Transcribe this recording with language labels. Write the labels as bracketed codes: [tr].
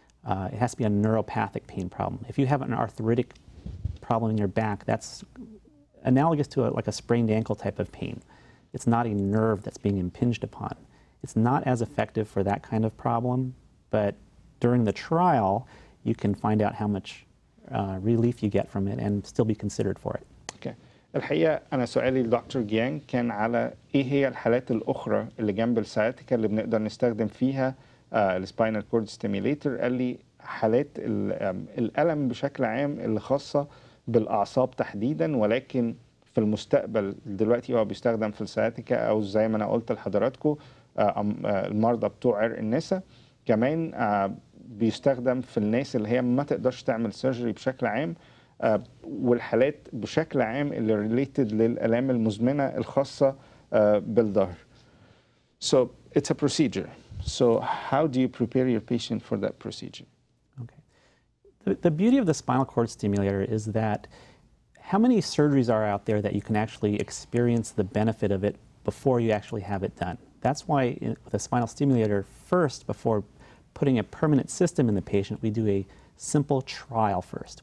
[en] It has to be a neuropathic pain problem. If you have an arthritic problem in your back, that's analogous to a sprained ankle type of pain. It's not a nerve that's being impinged upon. It's not as effective for that kind of problem, but during the trial, you can find out how much relief you get from it and still be considered for it. Okay. [ar] الحقيقة أنا سؤالي لدكتور جيانج كان على إيه هي الحالات الأخرى اللي جنب السياتيكا اللي بنقدر نستخدم فيها السبينال كورد ستيميليتر. قال لي حالات الألم بشكل عام اللي خاصة بالأعصاب تحديدا، ولكن في المستقبل دلوقتي هو بيستخدم في السياتيكا أو زي ما أنا قلت لحضراتكم المرضى بتوع عرق النسا، كمان بيستخدم في الناس اللي هي ما تقدرش تعمل سيرجري بشكل عام، والحالات بشكل عام اللي ريليتد للآلام المزمنة الخاصة بالظهر. [en] So it's a procedure. So how do you prepare your patient for that procedure? Okay. The beauty of the spinal cord stimulator is that how many surgeries are out there that you can actually experience the benefit of it before you actually have it done? That's why with a spinal stimulator, first, before putting a permanent system in the patient, we do a simple trial first.